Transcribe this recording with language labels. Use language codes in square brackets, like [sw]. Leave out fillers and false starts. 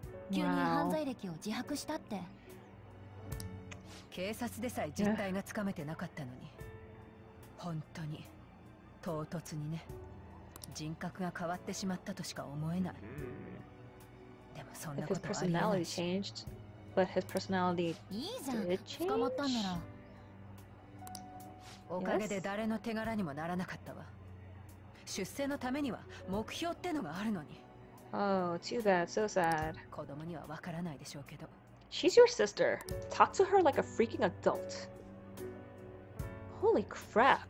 [ja] 急に犯罪歴を自白したって。警察でさえ実態がつかめてなかったのに、本当に唐突にね、人格が変わってしまったとしか思えない。でもそんなことはありえないし。 [en] If his personality changed, but his personality did change. [ja] いいじゃん、捕まったんなら。おかげで誰の手柄にもならなかったわ。出世のためには目標ってのがあるのに。 [en] Oh, too bad. So sad. [ja] 子供にはわからないでしょうけど。 [en] She's your sister. Talk to her like a freaking adult. Holy crap.